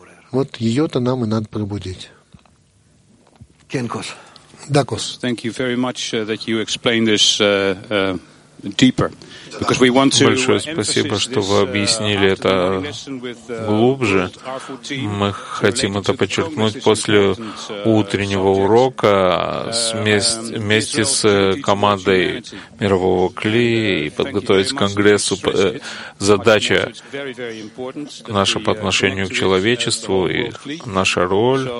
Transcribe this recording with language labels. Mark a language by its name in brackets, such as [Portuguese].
[Russian] Вот ее-то нам и надо пробудить. Кенкос. Да, Кос. [English] Thank you very much that you explained this deeper. [Russian] Большое спасибо, что вы объяснили это глубже. Мы хотим это подчеркнуть после утреннего урока вместе с командой мирового кли и подготовить к конгрессу задача наша по отношению к человечеству и наша роль.